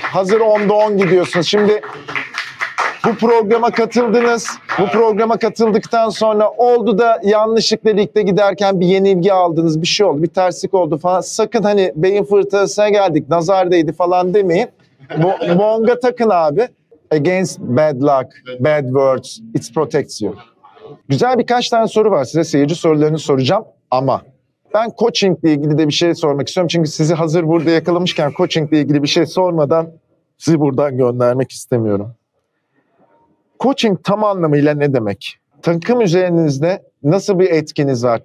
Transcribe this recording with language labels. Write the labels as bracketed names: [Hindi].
[Turkish] Hazır 10'da 10 gidiyorsunuz. Şimdi bu programa katıldınız. Bu programa katıldıktan sonra oldu da yanlışlıkla ligde giderken bir yenilgi aldınız. Bir şey oldu, bir terslik oldu falan. Sakın hani beyin fırtınasına geldik, nazar değdi falan demeyin. Bu monga takın abi. [English] Against bad luck, bad words, it protects you. [Turkish] Güzel birkaç tane soru var size. Seyirci sorularını soracağım ama ben coachingle ilgili de bir şey sormak istiyorum. Çünkü sizi hazır burada yakalamışken coachingle ilgili bir şey sormadan sizi buradan göndermek istemiyorum. Coaching tam anlamıyla ne demek? Takım üzerinizde nasıl bir etkiniz var?